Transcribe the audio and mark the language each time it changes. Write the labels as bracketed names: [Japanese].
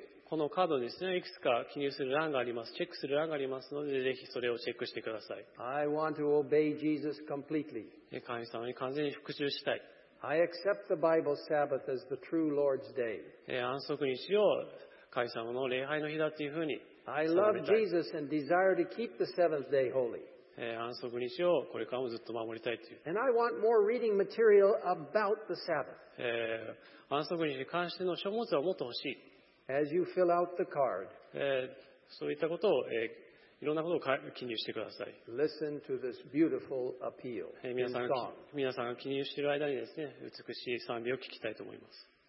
[Japanese] このカードにですね、いくつか記入する欄があります。チェックする欄がありますので、ぜひそれをチェックしてください。 [English] I want to obey Jesus completely. [Japanese] 神様に完全に服従したい。 [English] I accept the Bible Sabbath as the true Lord's day. [Japanese] 安息日を神様の礼拝の日だというふうに定めたい。 [English] I love Jesus and desire to keep the seventh day holy. [Japanese] 安息日をこれからもずっと守りたいという。 [English] And I want more reading material about the Sabbath. [Japanese] 安息日に関しての書物をもっと欲しい。 [English] As you fill out the card, [Japanese] そういったことを、いろんなことを記入してください。 [English] Listen to this beautiful appeal. [Japanese] 皆さんが記入している間にですね、美しい賛美を聞きたいと思います。